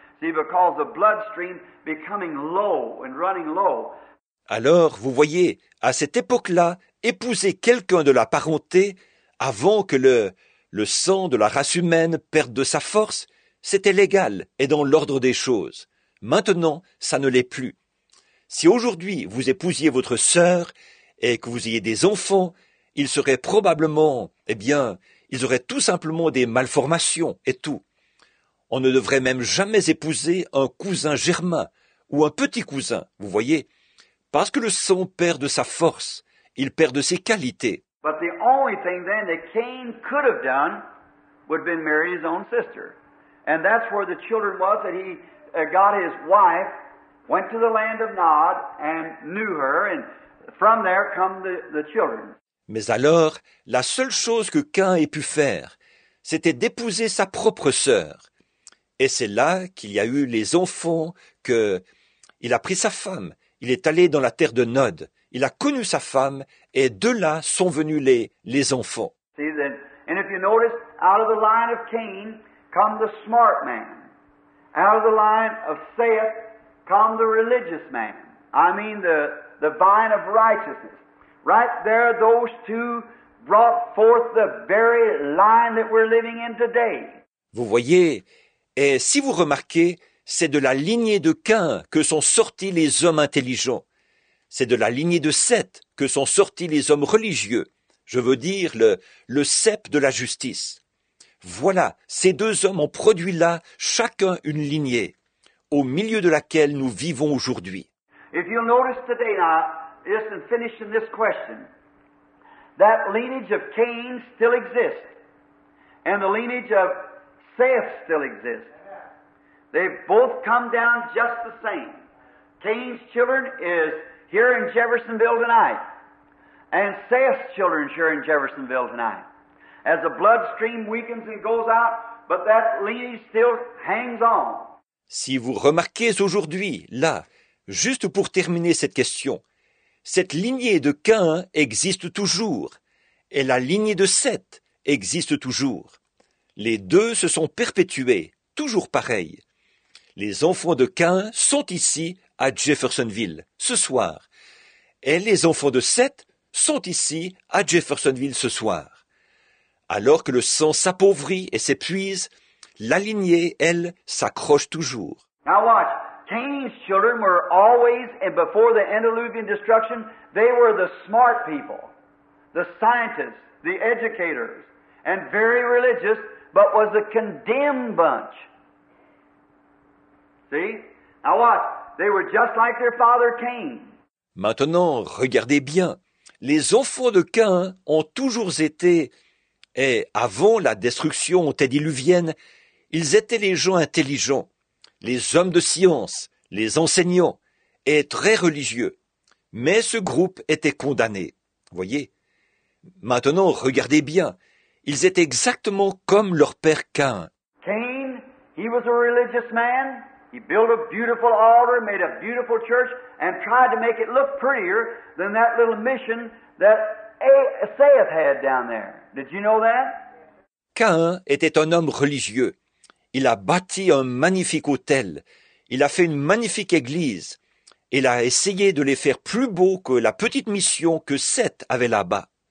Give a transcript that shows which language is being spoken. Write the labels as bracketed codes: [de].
[en] See, because the bloodstream becoming low and running low. [fr] Alors, vous voyez, à cette époque-là, épouser quelqu'un de la parenté avant que le sang de la race humaine perde de sa force, c'était légal et dans l'ordre des choses. Maintenant, ça ne l'est plus. Si aujourd'hui vous épousiez votre sœur et que vous ayez des enfants, ils seraient probablement, eh bien, ils auraient tout simplement des malformations et tout. On ne devrait même jamais épouser un cousin germain ou un petit cousin, vous voyez, parce que le sang perd de sa force, il perd de ses qualités. [en] But the only thing then that Cain could have done would have been marry his own sister. And that's where the children was that he got his wife, went to the land of Nod and knew her, and from there come the children. [fr] Mais alors, la seule chose que Cain ait pu faire, c'était d'épouser sa propre sœur. Et c'est là qu'il y a eu les enfants, qu'il a pris sa femme, il est allé dans la terre de Nod, il a connu sa femme, et de là sont venus les enfants. [en] See that, and if you notice, out of the line of Cain come the smart man. Out of the line of Seth come the religious man. I mean the vine of righteousness. Right there, those two brought forth the very line that we're living in today. [fr] Vous voyez, et si vous remarquez, c'est de la lignée de Cain que sont sortis les hommes intelligents. C'est de la lignée de Seth que sont sortis les hommes religieux. Je veux dire le cep de la justice. Voilà, ces deux hommes ont produit là chacun une lignée au milieu de laquelle nous vivons aujourd'hui. [en] If you'll notice today now, just in finishing this question, that lineage of Cain still exists, and the lineage of Seth still exists. They both come down just the same. Cain's children is here in Jeffersonville tonight, and Seth's children is here in Jeffersonville tonight. As the bloodstream weakens and goes out, but that lineage still hangs on. [fr] Si vous remarquez aujourd'hui, là, juste pour terminer cette question, cette lignée de Cain existe toujours, et la lignée de Seth existe toujours. Les deux se sont perpétués, toujours pareil. Les enfants de Cain sont ici, à Jeffersonville, ce soir. Et les enfants de Seth sont ici, à Jeffersonville, ce soir. Alors que le sang s'appauvrit et s'épuise, la lignée, elle, s'accroche toujours. [en] Now watch, Cain's children were always, and before the antediluvian destruction, they were the smart people, the scientists, the educators, and very religious, but was a condemned bunch. See? Now watch, they were just like their father Cain. [fr] Maintenant, regardez bien. Les enfants de Cain ont toujours été, et avant la destruction antédiluvienne, ils étaient les gens intelligents, les hommes de science, les enseignants, est très religieux. Mais ce groupe était condamné. Voyez. Maintenant, regardez bien. Ils étaient exactement comme leur père Cain. [en] Cain, he was a religious man. He built a beautiful altar, made a beautiful church, and tried to make it look prettier than that little mission that Asaph had down there. Did you know that? [fr] Cain était un homme religieux. Il a bâti un magnifique hôtel. Il a fait une magnifique église. Il a essayé de les faire plus beaux que la petite mission que Seth avait là-bas.